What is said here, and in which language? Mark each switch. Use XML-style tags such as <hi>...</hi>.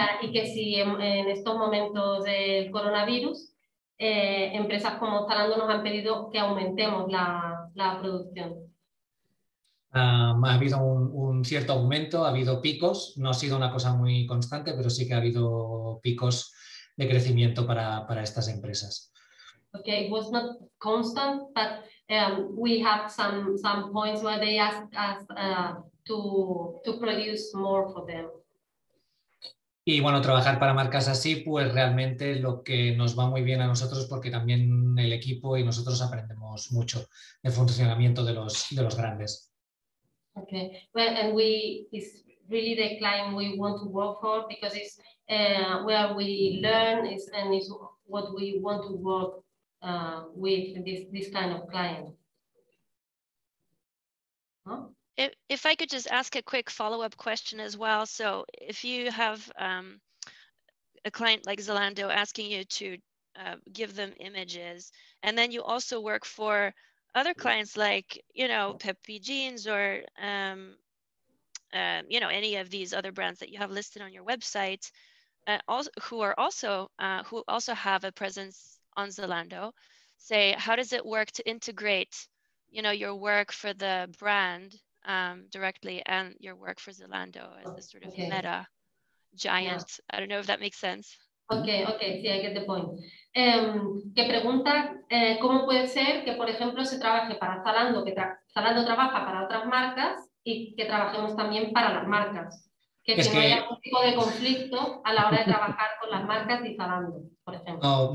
<es>Y que si en estos momentos del coronavirus, empresas como Zalando nos han pedido que aumentemos la producción. Ha habido un cierto aumento, ha habido picos, no ha sido una cosa muy constante, pero sí que ha habido picos de crecimiento para estas empresas.</es> <en>Okay, it was not constant, but we have some points where they asked us to produce more for them.</en> <es>Y bueno, trabajar para marcas así, pues realmente lo que nos va muy bien a nosotros, porque también el equipo y nosotros aprendemos mucho de funcionamiento de los grandes.</es> <en>Okay. Well, and we is really the client we want to work for, because it's where we learn is and is what we want to work with this kind of client. Huh? If I could just ask a quick follow-up question as well. So if you have a client like Zalando asking you to give them images, and then you also work for other clients like, you know, Pepe Jeans or, you know, any of these other brands that you have listed on your website, who also have a presence on Zalando, say, how does it work to integrate, you know, your work for the brand directly and your work for Zalando as a sort of okay. meta giant? Yeah. I don't know if that makes sense. Okay, sí, I get the point.</en> <es>Que pregunta, ¿cómo puede ser que, por ejemplo, se trabaje para Zalando, que Zalando trabaja para otras marcas y que trabajemos también para las marcas? Que es si que... no haya algún tipo de conflicto a la hora de trabajar con las marcas y Zalando, por ejemplo.</es>